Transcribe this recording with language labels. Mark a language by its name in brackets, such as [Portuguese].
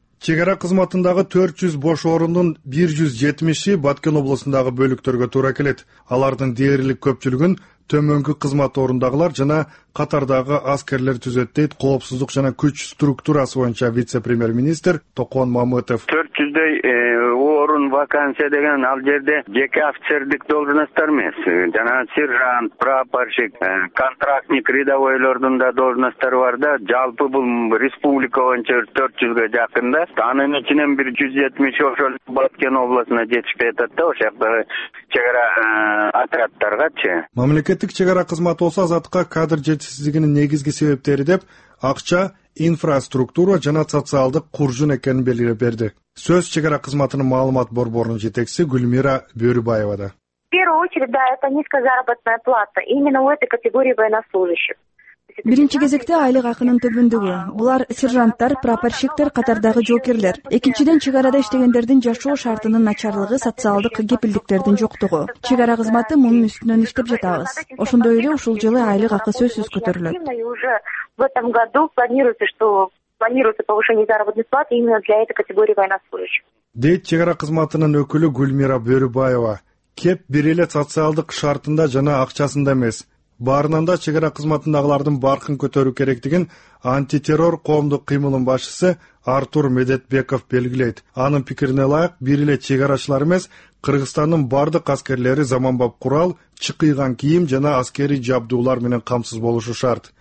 [Kyrgyz] Чек ара кызматындагы 400 бош орундун 170 Баткен облусундагы бөлүктөргө туура келет. Алардын дээрлик көпчүлүгүн төмөнкү кызмат орундагылар жана катардагы аскерлер түзөт, дейт коопсуздук жана күч структурасы боюнча вице-премьер-министр Токон Мамытов. 400 орун вакансия деген ал жерде жеке офицердик должностьтор эмес, жана сержант, прапорщик, контрактник, рядовойлордун да должностьтору бар да. Жалпы бул республика боюнча 400 жакын да. Анын ичинен 170 ошол Баткен областына жетишпей атат да, ошол жактагы чек ара отрядтаргачы. Мамлекеттик чек ара кызматы болсо Азатка кадр жетишсиздигинин негизги себептери деп акча, инфраструктура жана социалдык куржун экенин белгилеп берди. Сөз чек ара кызматынын маалымат борборунун жетекчиси Гүлмира Бөрүбаевада. [Russian] В первую очередь, да, это низкая заработная плата именно у этой категории военнослужащих. [Kyrgyz] Биринчи кезекте айлык акынын төмөндүгү. Булар сержанттар, прапорщиктер, катардагы жоокерлер. Экинчиден, чек арада иштегендердин жашоо шартынын начарлыгы, социалдык кепилдиктердин жоктугу. Чек ара кызматы мунун үстүнөн иштеп жатабыз. Ошондой эле ушул жылы айлык акы сөзсүз көтөрүлөт. [Russian] В этом году планируется повышение заработной платы именно для этой категории военнослужащих. [Kyrgyz] Дейт чек ара кызматынын өкүлү Гүлмира Бөрүбаева. Кеп бир эле социалдык шартында жана акчасында эмес. Баарынан да чек ара кызматындагылардын баркын көтөрүү керектигин антитеррор коомдук кыймылынын башчысы Артур Медетбеков белгилейт. Анын пикирине ылайык, бир эле чек арачылар эмес, Кыргызстандын бардык аскерлери заманбап курал, чыкыйган кийим жана аскерий жабдуулар менен камсыз болушу шарт.